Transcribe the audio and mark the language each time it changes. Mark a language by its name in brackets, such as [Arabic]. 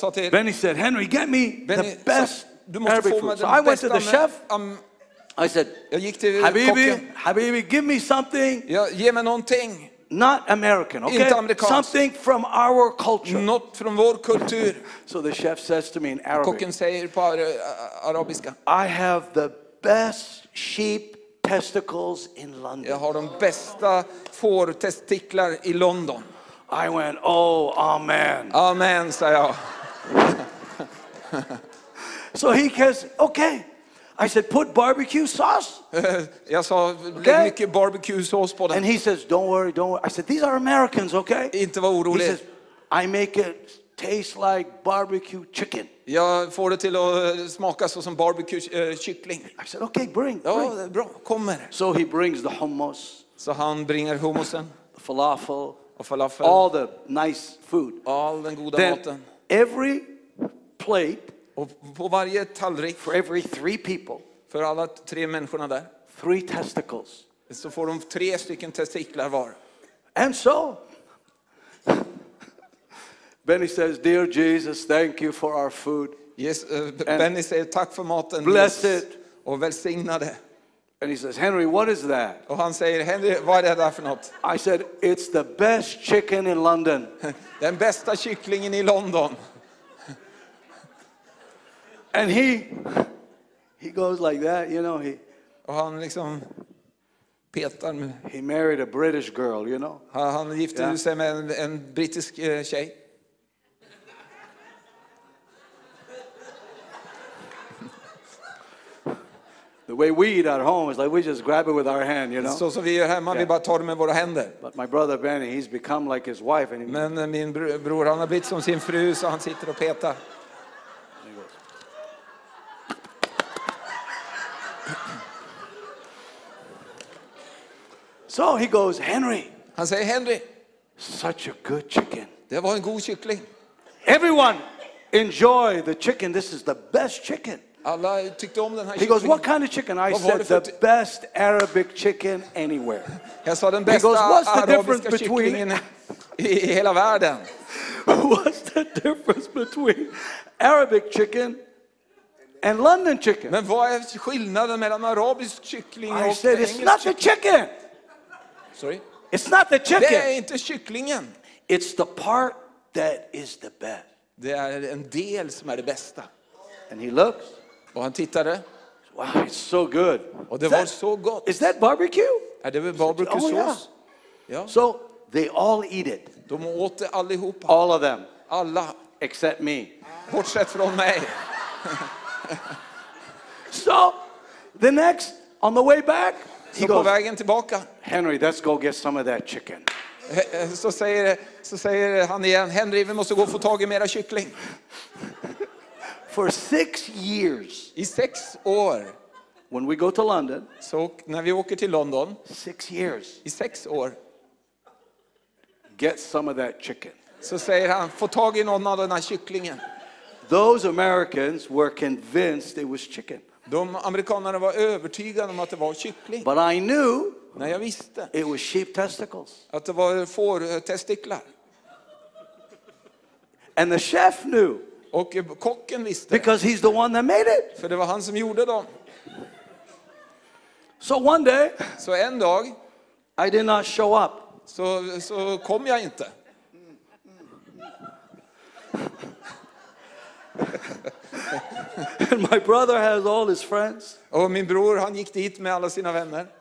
[English] Benny said, Henry, get me Benny, the best Arabic food. So I went to the chef. I said, Habibi, give me something. [Swedish] Yeah, ge mig någonting. [English] Not American, okay? Something from our culture. Not from [Swedish] vår kultur. [English] So the chef says to me in Arabic. [Swedish] Kocken säger på arabiska. [English] I have the best sheep testicles in London. [Swedish] Jag har de bästa får testiklar i London. [English] I went, oh, amen. [Swedish] Amen, sa jag. [English] So he says, okay. I said, put barbecue sauce. [Swedish] Jag sa, lägg mycket barbecue sauce på den. [English] And he says, don't worry. I said, these are Americans, okay? [Swedish] Inte var orolig. [English] He says, I make it taste like barbecue chicken. [Swedish] Jag får det till att smaka så som barbecue kyckling. [English] I said, okay, bring. [Swedish] Ja, bra, kom med. [English] So he brings the hummus. [Swedish] Så han bringer hummusen. [English] Falafel. [Swedish] Och falafel. [English] All the nice food. [Swedish] All den goda [English] Then [Swedish] maten. [English] Every plate. [Swedish] Och på varje tallrik, [English] for every three people, [Swedish] för alla tre människorna där, [English] three testicles, [Swedish] så får de tre stycken testiklar var. [English] And so Benny says, dear Jesus, thank you for our food. [Swedish] Yes, Benny säger tack för maten. [English] Bless it. [Swedish] Och välsigna det. [English] And he says, Henry, what is that? [Swedish] Och han säger, Henry, vad är det där för något? [English] I said, it's the best chicken in London. [Swedish] Den bästa kycklingen i London. [English] And he goes like that, you know, he [Swedish] och han liksom petar med. [English] He married a British girl, you know. [Swedish] Han gifte sig med en brittisk tjej. [English] The way we eat at home is like we just grab it with our hand, you know. [Swedish] Så som vi gör hemma, vi bara tar det med våra händer. [English] But my brother Benny, he's become like his wife. And [Swedish] men min bror, han har blivit som sin fru, så han sitter och petar. [English] So he goes, Henry. [Swedish] Han säger, Henry. [English] Such a good chicken. [Swedish] Det var en god kyckling. [English] Everyone enjoy the chicken. This is the best chicken. [Swedish] Alla tyckte om den här. [English] He goes, what kind of chicken? I said, the best Arabic chicken anywhere. [Swedish] Jag sa den bästa. [English] He goes, what's the difference between [Swedish] i hela världen? [English] What's the difference between Arabic chicken and London chicken? [Swedish] Men vad är skillnaden mellan arabisk kyckling och engelsk kyckling? [English] I said, it's not the chicken. Sorry. It's not the chicken. [Swedish] Det är inte kycklingen. [English] It's the part that is the best. [Swedish] Det är en del som är det bästa. [English] And he looks. [Swedish] Och han tittade. [English] Wow, it's so good. [Swedish] Och det var så gott. [English] Is that barbecue? [Swedish] Är det barbecue sauce? Oh, [English] yeah. So they all eat it. [Swedish] De åt det allihopa. [English] All of them. [Swedish] Alla. [English] Except me. [Swedish] Bortsett från mig. [English] So the next on the way back. He goes, [Swedish] på vägen tillbaka. [English] Henry, let's go get some of that chicken. [Swedish] Så säger han igen, Henry, vi måste gå och få tag i mera kyckling. [English] For 6 years. [Swedish] I 6 år. [English] When we go to London. [Swedish] Så när vi åker till London. [English] 6 years. [Swedish] I 6 år. [English] Get some of that chicken. [Swedish] Så säger han, få tag i någon av den här kycklingen. [English] Those Americans were convinced it was chicken. [Swedish] De amerikanerna var övertygade om att det var kyckling. [English] But I knew. [Swedish] Nej, jag visste. [English] It was sheep testicles. [Swedish] Att det var får testiklar. [English] And the chef knew. [Swedish] Och kocken visste. [English] Because he's the one that made it. [Swedish] För det var han som gjorde dem. [English] So one day. [Swedish] Så en dag. [English] I did not show up. [Swedish] Så kom jag inte. [English] And my brother has all his friends. [Swedish] Och min bror, han gick dit med alla sina vänner.